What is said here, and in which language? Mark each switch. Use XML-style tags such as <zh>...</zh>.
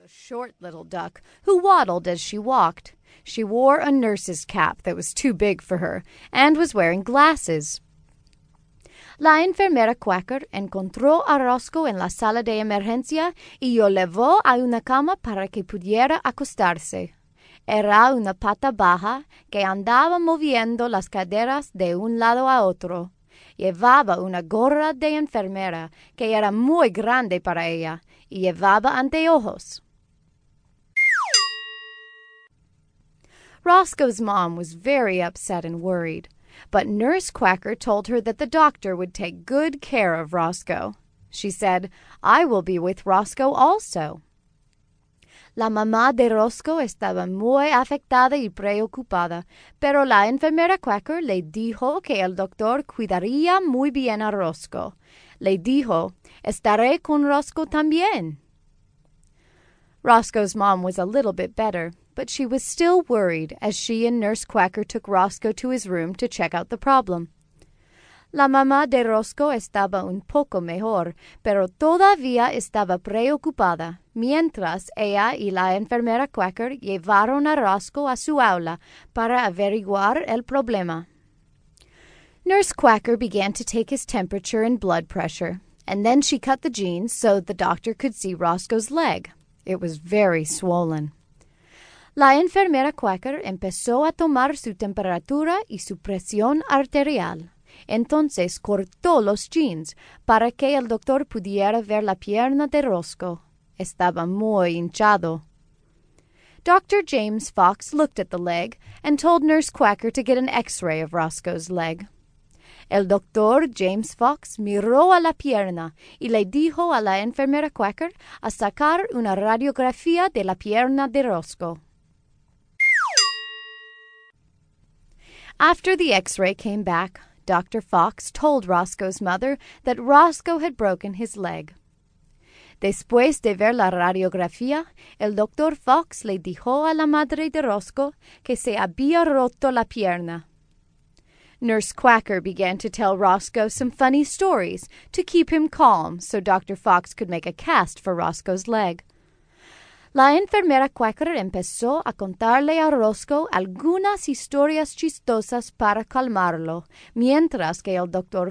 <en>short little duck, who waddled as she walked. She wore a nurse's cap that was too big for her, and was wearing glasses.</en> <es>La enfermera Quacker encontró a Roscoe en la sala de emergencia y lo llevó a una cama para que pudiera acostarse. Era una pata baja que andaba moviendo las caderas de un lado a otro. Llevaba una gorra de enfermera que era muy grande para ella y llevaba anteojos.</es> <en>Roscoe's mom was very upset and worried, but Nurse Quacker told her that the doctor would take good care of Roscoe. She said, "I will be with Roscoe also."</en> <es>La mamá de Roscoe estaba muy afectada y preocupada, pero la enfermera Quacker le dijo que el doctor cuidaría muy bien a Roscoe. Le dijo, "Estaré con Roscoe también."</es> <en>Roscoe's mom was a little bit better, but she was still worried as she and Nurse Quacker took Roscoe to his room to check out the problem.</en> <es>La mamá de Roscoe estaba un poco mejor, pero todavía estaba preocupada, mientras ella y la enfermera Quacker llevaron a Roscoe a su aula para averiguar el problema.</es> <en>Nurse Quacker began to take his temperature and blood pressure, and then she cut the jeans so the doctor could see Roscoe's leg. It was very swollen.</en> <es>La enfermera Quacker empezó a tomar su temperatura y su presión arterial. Entonces cortó los jeans para que el doctor pudiera ver la pierna de Roscoe. Estaba muy hinchado. Dr.</es> <en>James Fox looked at the leg and told Nurse Quacker to get an X-ray of Roscoe's leg.</en> <es>El doctor James Fox miró a la pierna y le dijo a la enfermera Quacker a sacar una radiografía de la pierna de Roscoe.</es> <en>After the X-ray came back, Dr. Fox told Roscoe's mother that Roscoe had broken his leg.</en> <es>Después de ver la radiografía, el Dr. Fox le dijo a la madre de Roscoe que se había roto la pierna.</es> <en>Nurse Quacker began to tell Roscoe some funny stories to keep him calm so Dr. Fox could make a cast for Roscoe's leg.</en> <es>La enfermera Quacker empezó a contarle a Roscoe algunas historias chistosas para calmarlo, mientras que el Dr.</es>